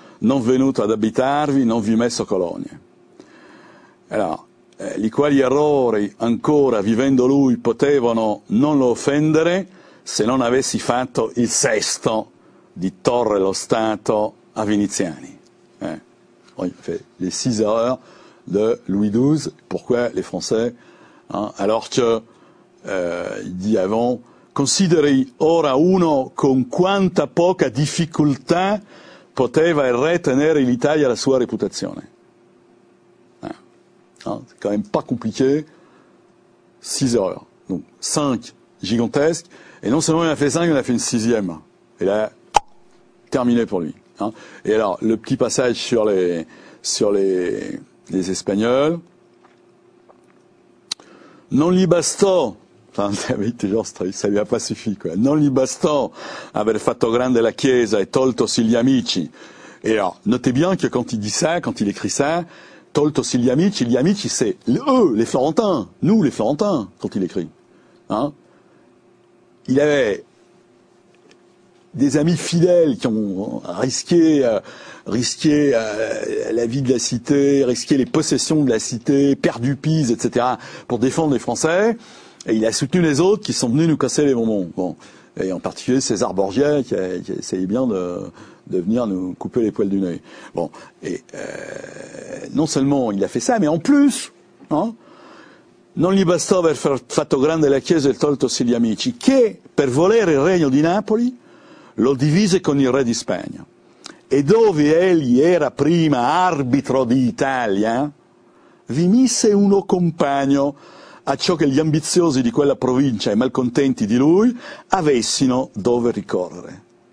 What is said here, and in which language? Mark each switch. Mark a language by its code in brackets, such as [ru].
[it] Non venuto ad abitarvi, non vi messo colonie. Alors, li quali errori ancora vivendo lui potevano non lo offendere se non avessi fatto il sesto di torre lo Stato a Veneziani. [fr] Oui, fait les 6 erreurs de Louis XII. Pourquoi les Français, hein, alors que il dit avant, [it] consideri ora uno con quanta poca difficoltà poteva retenere l'Italia la sua reputazione. [fr] Hein, c'est quand même pas compliqué. 6 erreurs. Donc 5 gigantesques. Et non seulement il a fait 5, il a fait une 6e. Et là, terminé pour lui. Hein. Et alors, le petit passage sur les Espagnols. [it] Non li bastò. [fr] Ça lui a pas suffi, quoi. [it] Non li bastò aver fatto grande la chiesa e toltosi gli amici. [fr] Et alors, notez bien que quand il dit ça, quand il écrit ça, [it] toltosi gli amici, [fr] c'est eux, les Florentins, nous, les Florentins, quand il écrit. Hein. Il avait des amis fidèles qui ont risqué la vie de la cité, risqué les possessions de la cité, perdu Pise, etc., pour défendre les Français. Et il a soutenu les autres qui sont venus nous casser les bonbons. Bon. Et en particulier César Borgia qui essayait bien de venir nous couper les poils du nez. Bon. Et non seulement il a fait ça, mais en plus, hein, [it] non gli bastò aver fatto grande la chiesa e toltosi gli amici, che per volere il regno di Napoli lo divise con il re di Spagna. E dove egli era prima arbitro di Italia, vi mise uno compagno a ciò che gli ambiziosi di quella provincia e malcontenti di lui avessino dove ricorrere.